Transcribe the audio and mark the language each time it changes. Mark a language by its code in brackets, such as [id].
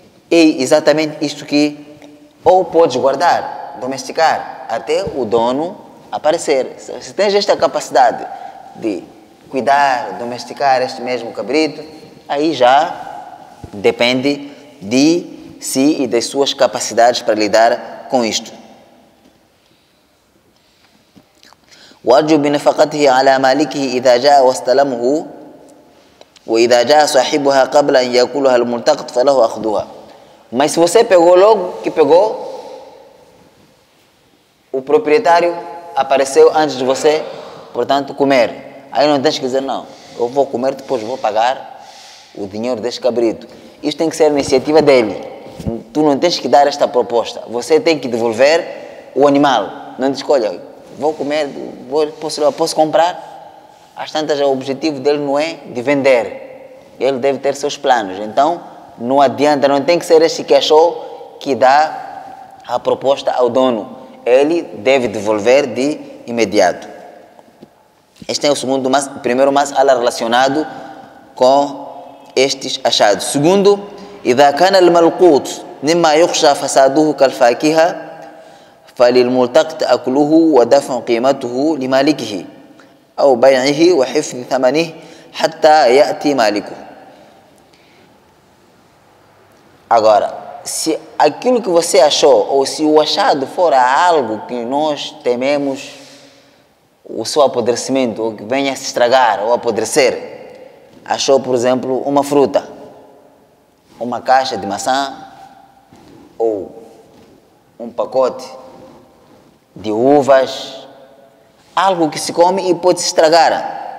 [pt] E exatamente isto que ou podes guardar, domesticar, até o dono aparecer. Se tens esta capacidade de cuidar, domesticar este mesmo cabrito, aí já depende de si e das suas capacidades para lidar com isto. [ar] واجب بنفقته على مالكه اذا جاء واستلمه واذا جاء صاحبها قبل ان ياكلها الملتقط فله اخذها. [pt] Mas se você pegou logo que pegou, o proprietário apareceu antes de você, portanto, comer. Aí não tens que dizer, não, eu vou comer, depois vou pagar o dinheiro deste cabrito. Isto tem que ser a iniciativa dele. Tu não tens que dar esta proposta. Você tem que devolver o animal. Não diz, olha, vou comer, posso comprar. Às tantas, o objetivo dele não é de vender. Ele deve ter seus planos. Então, não adianta, não tem que ser este cachorro que dá a proposta ao dono. Ele deve devolver de imediato. Este é o segundo, primeiro mas'ala relacionado com estes achados. Segundo, [ar] إذا كان الملقوط مما يخشى فساده كالفاكهة فللملتقط أكله ودفع قيمته لمالكه أو بيعه وحفظ ثمنه حتى يأتي مالكه. [pt] Agora, se aquilo que você achou ou se o achado for algo que nós tememos o seu apodrecimento ou que venha a se estragar ou apodrecer, achou, por exemplo, uma fruta, uma caixa de maçã ou um pacote de uvas, algo que se come e pode se estragar.